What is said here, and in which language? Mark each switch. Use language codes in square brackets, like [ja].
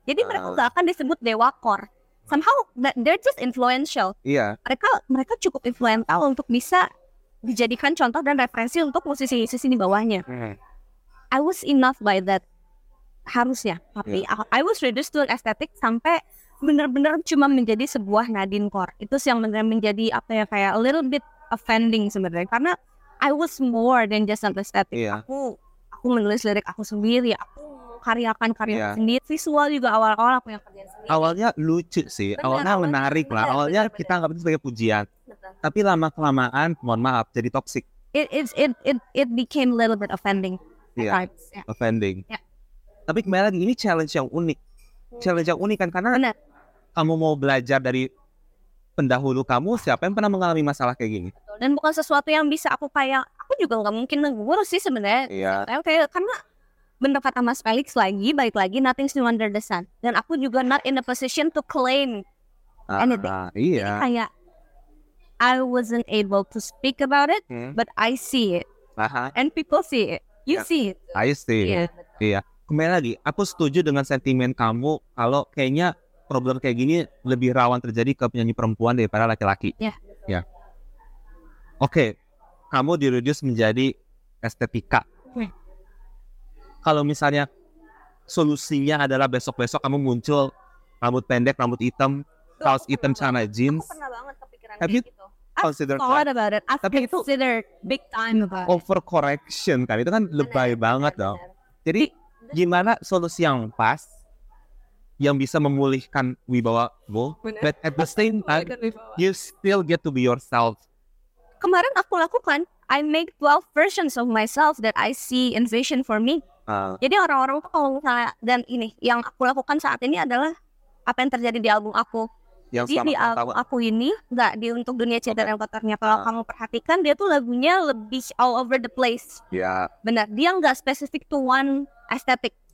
[id] Jadi mereka enggak akan disebut dewa core. [en] Somehow they're just influential. Yeah. [id] Mereka cukup influential untuk bisa dijadikan contoh dan referensi untuk musisi-musisi di bawahnya. [en] I was enough by that. [id] Harusnya, tapi [en] I was reduced to an aesthetic [id] sampai benar-benar cuma menjadi sebuah [en] Nadine core. [id] Itu sih yang benar-benar menjadi apa ya, kayak [en] a little bit offending [id] sebenarnya, karena [en] I was more than just an aesthetic. Yeah. [id] Aku menulis lirik aku sendiri, aku karyakan karya sendiri, visual juga awal-awal aku yang kerjain sendiri. Awalnya lucu sih, awalnya menarik, kita anggap itu sebagai pujian. Betul. Tapi lama-kelamaan, mohon maaf, jadi toxic. [en] It became a little bit offending. Offending. Yeah. [id] Tapi kembali lagi, ini challenge yang unik. Challenge yang unik kan, karena benar, kamu mau belajar dari pendahulu kamu, siapa yang pernah mengalami masalah kayak gini? Betul. Dan bukan sesuatu yang bisa aku kayak, aku juga gak mungkin mengurus sih sebenarnya. Iya. Okay, karena bener kata Mas Felix lagi, balik lagi, [en] nothing's new under the sun. [id] Dan aku juga [en] not in a position to claim anything. [id] Iya. Jadi kayak, [en] I wasn't able to speak about it, but I see it. Aha. And people see it. I see it. [id] Yeah. Iya. Kembali lagi, aku setuju dengan sentimen kamu kalau kayaknya problem kayak gini lebih rawan terjadi ke penyanyi perempuan daripada laki-laki. Iya. Ya. Oke. Kamu di-reduce menjadi estetika. Kalau misalnya solusinya adalah besok-besok kamu muncul rambut pendek, rambut hitam, kaos hitam, celana jeans. Aku pernah banget kepikiran kayak gitu. [en] Have you considered that? [id] Tapi itu [en] consider big time about [id] overcorrection kan. Itu kan lebay banget dong. Jadi gimana solusi yang pas yang bisa memulihkan wibawamu, [en] but at the same time you still get to be yourself. [id] Kemarin aku lakukan, [en] I make 12 versions of myself that I see and vision for me. [id] Jadi orang-orang tuh kalau misalnya, dan ini yang aku lakukan saat ini adalah apa yang terjadi di album aku. Yang jadi di album aku ini nggak di untuk dunia cinta dan kotornya. Kalau kamu perhatikan, dia tuh lagunya lebih [en] all over the place. Yeah. [id] Benar, dia nggak specific to one aesthetic.